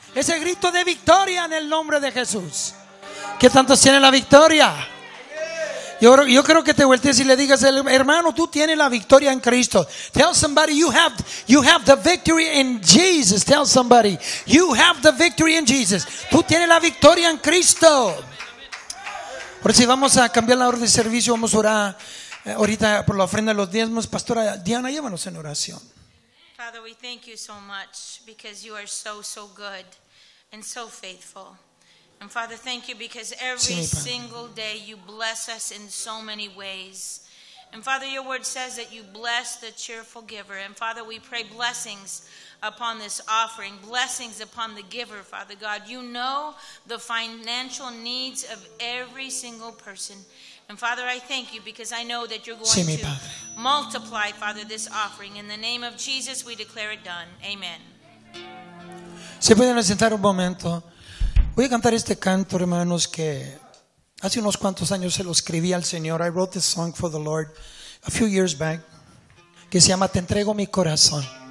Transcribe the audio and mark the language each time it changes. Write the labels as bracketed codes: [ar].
[es] Ese grito de victoria en el nombre de Jesús. ¿Qué tantos tienen la victoria? Yo creo que te voltees y le digas, hermano, tú tienes la victoria en Cristo. [en] Tell somebody you have the victory in Jesus. Tell somebody you have the victory in Jesus. [es] Tú tienes la victoria en Cristo. Por eso vamos a cambiar la hora de servicio. Vamos a orar ahorita por la ofrenda de los diezmos. Pastora Diana, llévanos en oración. [en] Father, we thank you so much because you are so, so good and so faithful. And Father, thank you because every single day you bless us in so many ways. And Father, your word says that you bless the cheerful giver. And Father, we pray blessings upon this offering, blessings upon the giver, Father God. You know the financial needs of every single person. And Father, I thank you because I know that you're going [es] sí, [en] to multiply, Father, this offering. In the name of Jesus, we declare it done. Amen. [es] Se pueden sentar un momento. Voy a cantar este canto, hermanos, que hace unos cuantos años se lo escribí al Señor. [en] I wrote this song for the Lord a few years back, [es] que se llama Te entrego mi corazón.